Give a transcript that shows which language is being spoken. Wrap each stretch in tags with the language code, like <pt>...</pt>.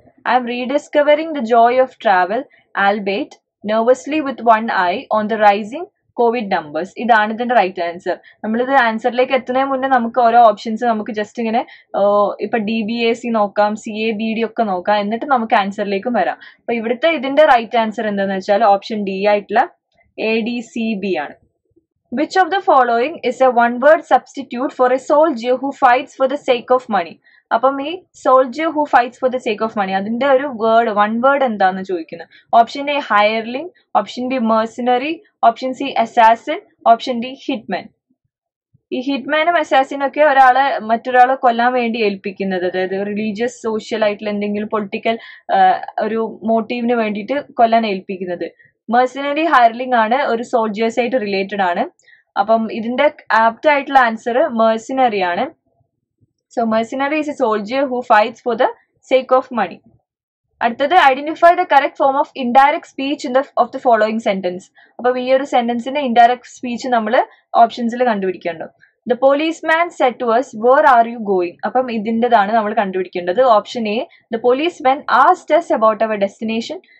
<en>I am rediscovering the joy of travel albeit nervously with one eye on the rising COVID numbers.</en> <ml>ഇതാണ് ഇതിന്റെ right answer. നമ്മളിത് ആൻസറിലേക്ക് എത്തുന്നതിന് മുന്നേ നമുക്ക് ഓരോ ഓപ്ഷൻസ് നമുക്ക് ജസ്റ്റ് ഇങ്ങനെ ഇപ്പൊ ഡി ബി എ സി നോക്കാം, സി എ ബി ഡി ഒക്കെ നോക്കാം, എന്നിട്ട് നമുക്ക് ആൻസറിലേക്കും വരാം. അപ്പൊ ഇവിടുത്തെ ഇതിന്റെ റൈറ്റ് ആൻസർ എന്താന്ന് വെച്ചാൽ ഓപ്ഷൻ ഡി ആയിട്ടുള്ള എ ഡി സി ബി ആണ്.</ml> <en>Which of the following is a one-word substitute for a soldier who fights for the sake of money?</en> <ml>അപ്പം ഈ</ml> <en>soldier who fights for the sake of money,</en> <ml>അതിന്റെ ഒരു word, one word എന്താന്ന് ചോദിക്കുന്നത്.</ml> <en>Option A hireling, option B mercenary, option C assassin, option D hitman.</en> <ml>ഈ ഹിറ്റ്മാനും അസാസിനും ഒക്കെ ഒരാളെ മറ്റൊരാളെ കൊല്ലാൻ വേണ്ടി ഏൽപ്പിക്കുന്നത്, അതായത് റിലീജിയസ് സോഷ്യൽ ആയിട്ടുള്ള എന്തെങ്കിലും പൊളിറ്റിക്കൽ ഒരു മോട്ടീവിന് വേണ്ടിയിട്ട് കൊല്ലാൻ ഏൽപ്പിക്കുന്നത്. മെർസിനറി ഹയർലിംഗ് ആണ്, ഒരു സോൾജിയേഴ്സ് ആയിട്ട് റിലേറ്റഡ് ആണ്. അപ്പം ഇതിന്റെ ആപ്റ്റ് ആയിട്ടുള്ള ആൻസർ മെർസിനറി ആണ്.</ml> <en>So, mercenary is a soldier who fights for the sake of money. അടുത്തത്, identify the correct form of indirect speech in the of the following sentence.</en> <ml>അപ്പം ഈ ഒരു സെന്റൻസിന്റെ ഇൻഡയറക്ട് സ്പീച്ച് നമ്മൾ ഓപ്ഷൻസിൽ കണ്ടുപിടിക്കേണ്ടത്.</ml> <en>The police man said to us, where are you going.</en> <ml>അപ്പം ഇതിൻ്റെതാണ് നമ്മൾ കണ്ടുപിടിക്കേണ്ടത്.</ml> <en>Option A, the police man asked us about our destination.</en>